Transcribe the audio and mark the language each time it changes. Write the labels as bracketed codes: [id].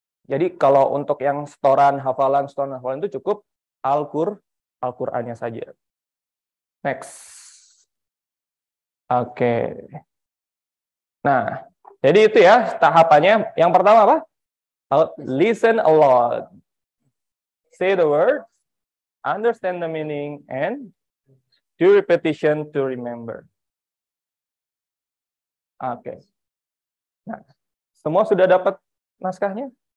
[id] Jadi kalau untuk yang setoran hafalan itu cukup Al-Qur'annya saja. Next. Oke. Nah, jadi itu ya tahapannya. Yang pertama apa? [en] Listen a lot. Say the words, understand the meaning, and do repetition to remember. Oke. Okay. [id] Nah, semua sudah dapat naskahnya?